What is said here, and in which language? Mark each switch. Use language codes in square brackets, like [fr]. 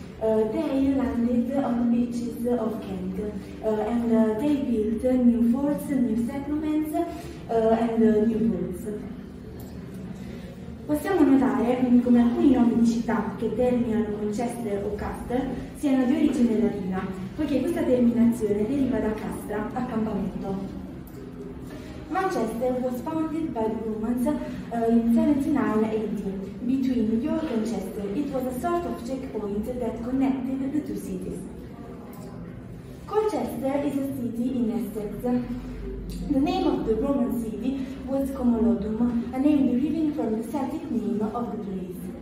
[en] They landed on the beaches of Kent, and they built new forts, new settlements, and new ports. [it] Possiamo notare come alcuni nomi di città che terminano con Chester o Caster siano di origine latina, poiché questa terminazione deriva da castra, accampamento. [en] Manchester was founded by the Romans in 79 AD, between York and Chester. It was a sort of checkpoint that connected the two cities. Colchester is a city in Essex. The name of the Roman city was Comolodum, a name deriving from the Celtic name of the place.